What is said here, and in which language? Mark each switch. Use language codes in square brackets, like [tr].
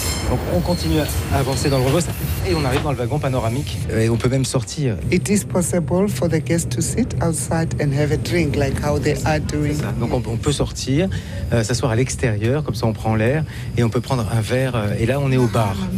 [fr] Donc on continue à avancer dans le Rovos et on arrive dans le wagon panoramique et on peut même sortir. [en] It is possible for the guests to sit outside and have a drink like how they are doing. [fr] Donc on peut sortir, s'asseoir à l'extérieur comme ça on prend l'air et on peut prendre un verre et là on est au bar.